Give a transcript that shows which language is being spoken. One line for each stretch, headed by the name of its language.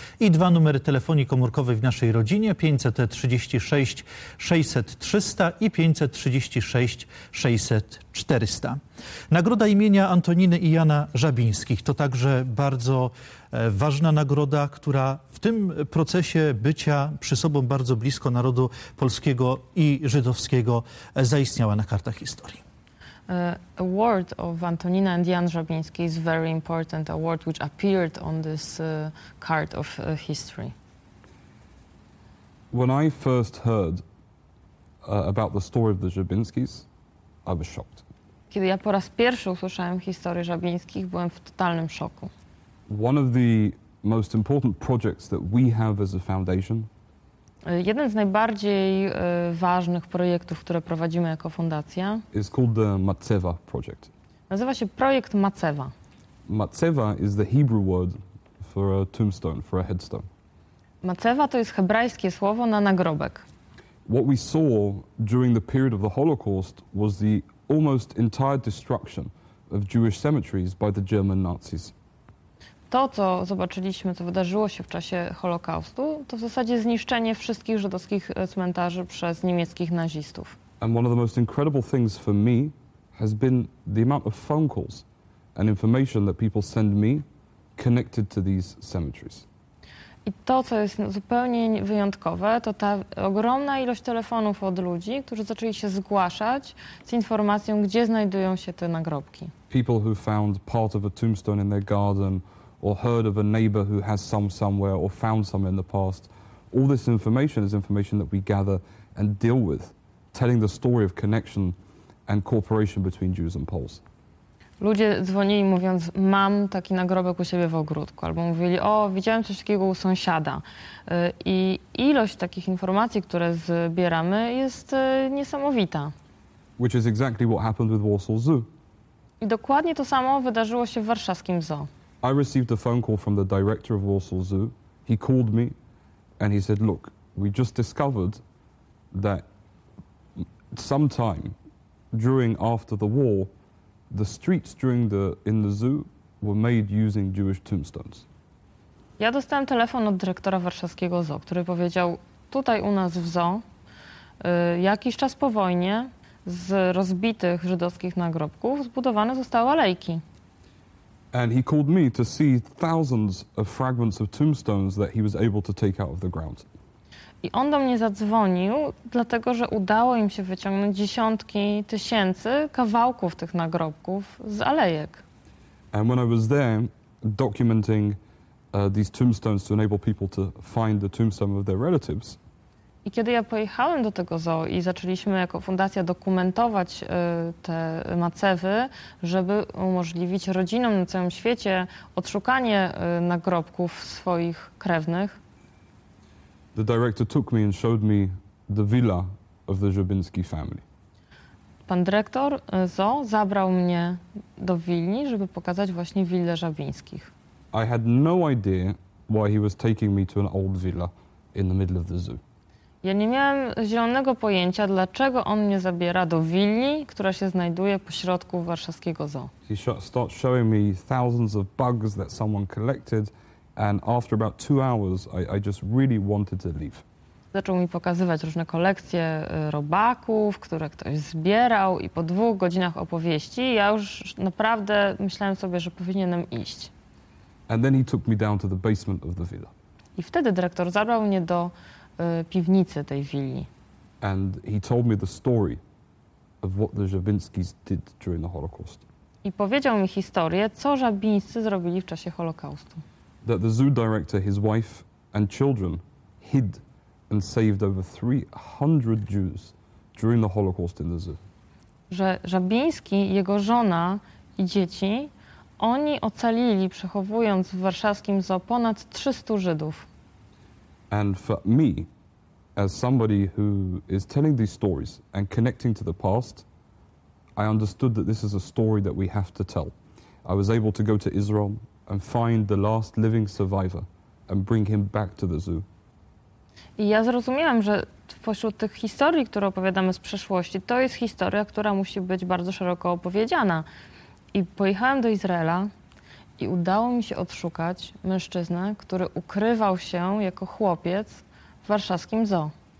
Polish: I dwa numery telefonii komórkowych w naszej rodzinie 536-600-300 i 536-600-400. Nagroda imienia Antoniny i Jana Żabińskich to także bardzo ważna nagroda, która w tym procesie bycia przy sobą bardzo blisko narodu polskiego i żydowskiego zaistniała na kartach historii.
English: Award of Antonina and Jan Żabiński is very important award which appeared on this card of history. When I first heard about the story of the Żabińskis, I was shocked.
Polish: Kiedy ja po raz pierwszy usłyszałem historię Żabińskich, byłem w totalnym szoku.
English: One of the most important projects that we have as a foundation.
Polish: Jeden z najbardziej ważnych projektów, które prowadzimy jako fundacja,
English: is called the Matzeva project.
Polish: Nazywa się projekt Matzeva.
English: Matzeva is the Hebrew word for a tombstone, for a headstone.
Polish: Matzeva to jest hebrajskie słowo na nagrobek.
English: What we saw during the period of the Holocaust was the almost entire destruction of Jewish cemeteries by the German Nazis.
Polish: To, co zobaczyliśmy, co wydarzyło się w czasie Holokaustu, to w zasadzie zniszczenie wszystkich żydowskich cmentarzy przez niemieckich nazistów.
English: And one of the most incredible things for me has been the amount of phone calls and information that people send me connected to these cemeteries.
Polish: I to, co jest zupełnie wyjątkowe, to ta ogromna ilość telefonów od ludzi, którzy zaczęli się zgłaszać z informacją, gdzie znajdują się te nagrobki.
English: People who found part of a tombstone in their garden, or heard of a neighbor who has some somewhere, or found some in the past. All this information is information that we gather and deal with, telling the story of connection and cooperation between Jews and Poles.
Polish: Ludzie dzwonili mówiąc, mam taki nagrobek u siebie w ogródku, albo mówili, o, widziałem coś takiego u sąsiada. I ilość takich informacji, które zbieramy, jest niesamowita.
English: Which is exactly what happened with Warsaw Zoo.
Polish: I dokładnie to samo wydarzyło się w warszawskim zoo.
English: I received a phone call from the director of Warsaw Zoo. He called me and he said, look, we just discovered that sometime during after the war, the streets during in the zoo were made using Jewish tombstones.
Polish: Ja dostałem telefon od dyrektora warszawskiego zoo, który powiedział, tutaj u nas w zoo jakiś czas po wojnie z rozbitych żydowskich nagrobków zbudowane zostały alejki.
English: And he called me to see thousands of fragments of tombstones that he was able to take out of the ground.
Polish: I on do mnie zadzwonił, dlatego że udało im się wyciągnąć dziesiątki tysięcy kawałków tych nagrobków z alejek.
English: And when I was there documenting these tombstones to enable people to find the tombstone of their relatives.
Polish: I kiedy ja pojechałem do tego zoo i zaczęliśmy jako fundacja dokumentować te macewy, żeby umożliwić rodzinom na całym świecie odszukanie nagrobków swoich krewnych.
English: The director took me and showed me the villa of the Żebiński family.
Polish: Pan dyrektor zoo zabrał mnie do willi, żeby pokazać właśnie willę Żabińskich.
English: I had no idea why he was taking me to an old villa in the middle of the zoo.
Polish: Ja nie miałem zielonego pojęcia, dlaczego on mnie zabiera do willi, która się znajduje po środku warszawskiego zoo.
English: He starts showing me thousands of bugs that someone collected, and after about 2 hours, I just really wanted to leave.
Polish: Zaczął mi pokazywać różne kolekcje robaków, które ktoś zbierał, i po 2 godzinach opowieści ja już naprawdę myślałem sobie, że powinienem iść.
English: And then he took me down to the basement of the villa.
Polish: I wtedy dyrektor zabrał mnie do piwnicy tej willi.
English: And he told me the story of what the Żabińskis did during the Holocaust.
Polish: I powiedział mi historię, co Żabińscy zrobili w czasie Holokaustu.
English: That the zoo director, his wife and children hid and saved over 300 Jews during the Holocaust in the zoo.
Polish: Że Żabiński, jego żona i dzieci, oni ocalili, przechowując w warszawskim zoo ponad 300 Żydów.
English: And for me, as somebody who is telling these stories and connecting to the past, I understood that this is a story that we have to tell. I was able to go to Israel and find the last living survivor and bring him back to the zoo.
Polish: I ja zrozumiałam, że pośród tych historii, które opowiadamy z przeszłości, to jest historia, która musi być bardzo szeroko opowiedziana. I pojechałem do Izraela. I udało mi się odszukać mężczyznę, który ukrywał się jako chłopiec w warszawskim zoo.